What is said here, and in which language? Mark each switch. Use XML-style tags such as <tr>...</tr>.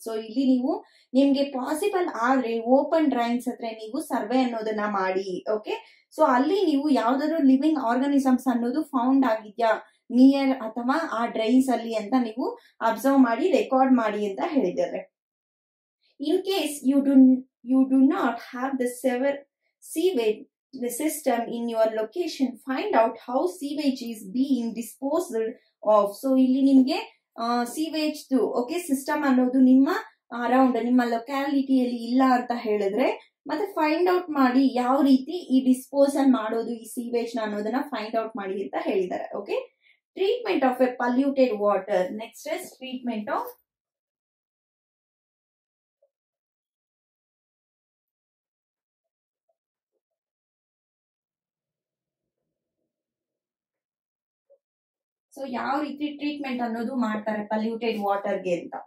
<kn>So ಇಲ್ಲಿ ನೀವು ನಿಮ್ಗೆ ಪಾಸಿಬಲ್ ಆದ್ರೆ ಓಪನ್ ಡ್ರೈನ್ಸ್ ಹತ್ರ ನೀವು ಸರ್ವೆ ಅನ್ನೋದನ್ನ ಮಾಡಿ. ಓಕೆ, ಸೊ ಅಲ್ಲಿ ನೀವು ಯಾವ್ದಾದ್ರು ಲಿವಿಂಗ್ ಆರ್ಗನಿಸಮ್ಸ್ ಅನ್ನೋದು ಫೌಂಡ್ ಆಗಿದ್ಯಾ ನಿಯರ್ ಅಥವಾ ಆ ಡ್ರೈನ್ಸ್ ಅಲ್ಲಿ ಅಂತ ನೀವು ಅಬ್ಸರ್ವ್ ಮಾಡಿ ರೆಕಾರ್ಡ್ ಮಾಡಿ ಅಂತ ಹೇಳಿದ್ದಾರೆ.</kn> <en>In case you do not have the sewer sewage the system in your location, find out how sewage is being disposed of.</en> <kn>So ಇಲ್ಲಿ ನಿಮ್ಗೆ sewage ದು ಓಕೆ ಸಿಸ್ಟಮ್ ಅನ್ನೋದು ನಿಮ್ಮ ಅರೌಂಡ್ ನಿಮ್ಮ ಲೊಕ್ಯಾಲಿಟಿಯಲ್ಲಿ ಇಲ್ಲ ಅಂತ ಹೇಳಿದ್ರೆ ಮತ್ತೆ ಫೈಂಡ್ ಔಟ್ ಮಾಡಿ ಯಾವ ರೀತಿ ಈ ಡಿಸ್ಪೋಸಲ್ ಮಾಡೋದು ಈ ಸೀವೇಜ್ ನ ಅನ್ನೋದನ್ನ ಫೈಂಡ್ ಔಟ್ ಮಾಡಿ ಅಂತ ಹೇಳಿದ್ದಾರೆ. Okay,</kn> <en>Treatment of a polluted water. Next is treatment of</en> <kn>so ಯಾವ ರೀತಿ ಟ್ರೀಟ್ಮೆಂಟ್ ಅನ್ನೋದು ಮಾಡ್ತಾರೆ ಪಲ್ಯೂಟೆಡ್ ವಾಟರ್ಗೆ ಅಂತ.</kn>